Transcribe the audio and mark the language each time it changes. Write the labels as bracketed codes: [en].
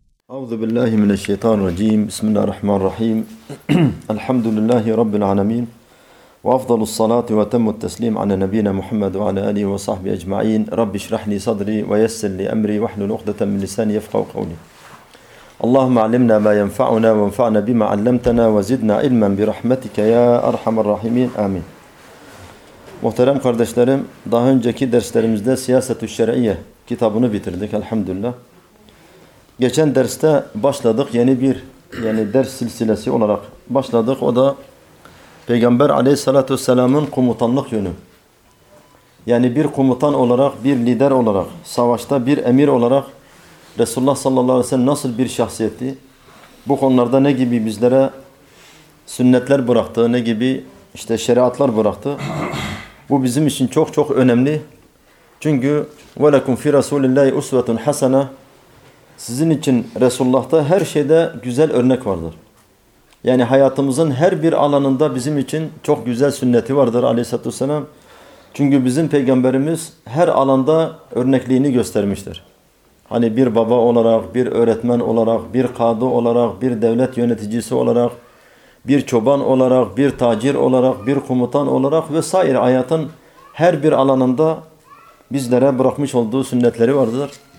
[ar] أعوذ بالله من الشيطان الرجيم بسم الله الرحمن الرحيم الحمد لله رب العالمين وأفضل الصلاة وتم التسليم على نبينا محمد وعلى آله وصحبه أجمعين رب اشرح لي صدري ويسر لي أمري واحلل عقدة من لساني يفقهوا قولي اللهم علمنا ما ينفعنا وانفعنا بما علمتنا وزدنا علما برحمتك يا أرحم الراحمين آمين. [tr] محترم kardeşlerim, daha önceki derslerimizde Siyasetü Şer'iyye kitabını bitirdik elhamdülillah. Geçen derste başladık, yeni bir ders silsilesi olarak başladık. O da Peygamber aleyhissalatü vesselamın komutanlık yönü. Yani bir komutan olarak, bir lider olarak, savaşta bir emir olarak Resulullah sallallahu aleyhi ve sellem nasıl bir şahsiyetti? Bu konularda ne gibi bizlere sünnetler bıraktı, ne gibi işte şeriatlar bıraktı? Bu bizim için çok çok önemli. [ar] Çünkü وَلَكُمْ فِي رَسُولِ اللّٰهِ اُسْوَةٌ حَسَنَةٌ. [tr] Sizin için Resulullah'ta her şeyde güzel örnek vardır. Yani hayatımızın her bir alanında bizim için çok güzel sünneti vardır aleyhissalatü vesselam. Çünkü bizim peygamberimiz her alanda örnekliğini göstermiştir. Hani bir baba olarak, bir öğretmen olarak, bir kadı olarak, bir devlet yöneticisi olarak, bir çoban olarak, bir tacir olarak, bir komutan olarak vesaire, hayatın her bir alanında bizlere bırakmış olduğu sünnetleri vardır.